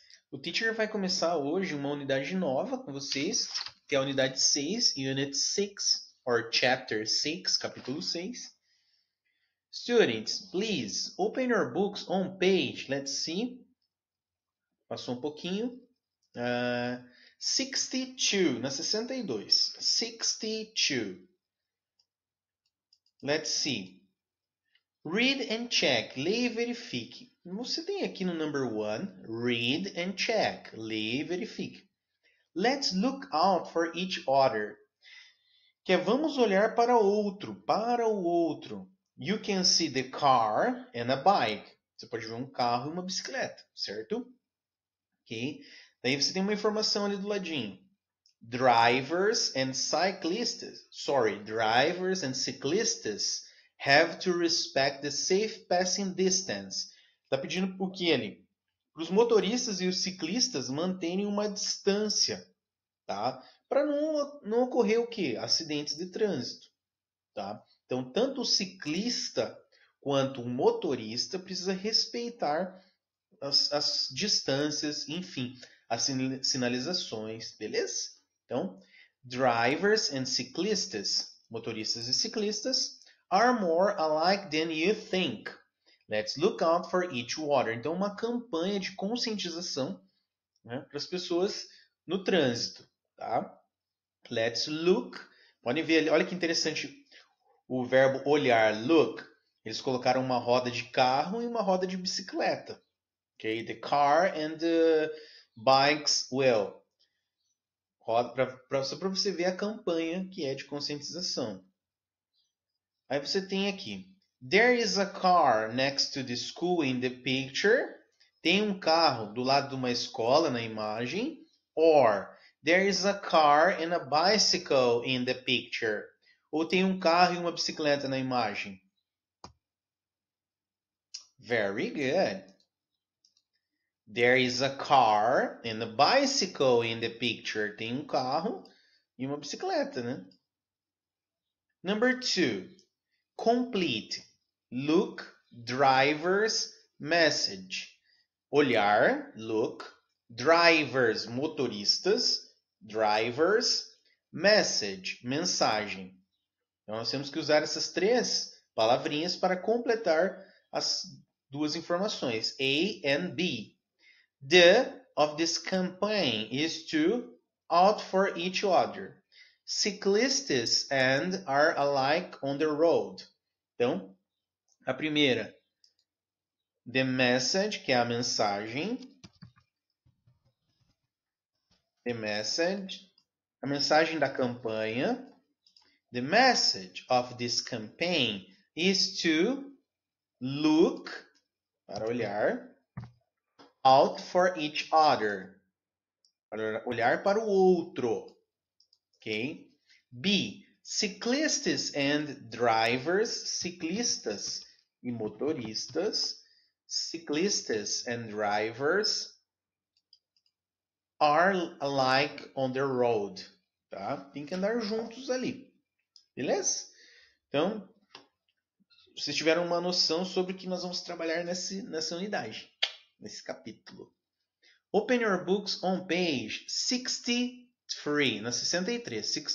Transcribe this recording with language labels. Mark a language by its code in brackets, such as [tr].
[pt] O teacher vai começar hoje uma unidade nova com vocês, que é a unidade 6, [en] Unit 6, or Chapter 6, [pt] capítulo 6. [en] Students, please, open your books on page, let's see. [pt] Passou um pouquinho. 62, na 62. 62. [en] Let's see. Read and check. [pt] Leia e verifique. Você tem aqui no number 1. [en] Read and check. [pt] Leia e verifique. [en] Let's look out for each other. [pt] Que é vamos olhar para o outro. Para o outro. [en] You can see the car and a bike. [pt] Você pode ver um carro e uma bicicleta, certo? Ok. Daí você tem uma informação ali do ladinho. [en] Drivers and cyclists, sorry, drivers and cyclists have to respect the safe passing distance. [pt] Está pedindo por quê ali? Para os motoristas e os ciclistas manterem uma distância, tá? Para não ocorrer o quê? Acidentes de trânsito, tá? Então, tanto o ciclista quanto o motorista precisa respeitar as distâncias, enfim, as sinalizações, beleza? [en] Então, drivers and cyclists, [pt] motoristas e ciclistas, [en] are more alike than you think. Let's look out for each other. [pt] Então, uma campanha de conscientização, né, para as pessoas no trânsito, tá? [en] Let's look. [pt] Podem ver ali, olha que interessante o verbo olhar, look. Eles colocaram uma roda de carro e uma roda de bicicleta. Okay? [en] The car and the bikes well. [pt] Só para você ver a campanha que é de conscientização. Aí você tem aqui. [en] There is a car next to the school in the picture. [pt] Tem um carro do lado de uma escola na imagem. [en] Or, there is a car and a bicycle in the picture. [pt] Ou tem um carro e uma bicicleta na imagem. [en] Very good. There is a car and a bicycle in the picture. [pt] Tem um carro e uma bicicleta, né? [en] Number two. Complete. Look, driver's message. [pt] Olhar, look. Drivers, motoristas. [en] Driver's message, mensagem. [pt] Então, nós temos que usar essas três palavrinhas para completar as duas informações. [en] A and B. The of this campaign is to out for each other. Cyclists and are alike on the road. [pt] Então, a primeira. [en] The message, [pt] que é a mensagem. [en] The message. [pt] A mensagem da campanha. [en] The message of this campaign is to look, [pt] para olhar, [en] out for each other, [pt] para olhar para o outro, [en] ok? B, cyclists and drivers, [pt] ciclistas e motoristas, [en] cyclists and drivers are alike on the road, tá? [pt] Tem que andar juntos ali, beleza? Então, vocês tiveram uma noção sobre o que nós vamos trabalhar nessa unidade. Nesse capítulo. [en] Open your books on page 63. [pt] Na 63.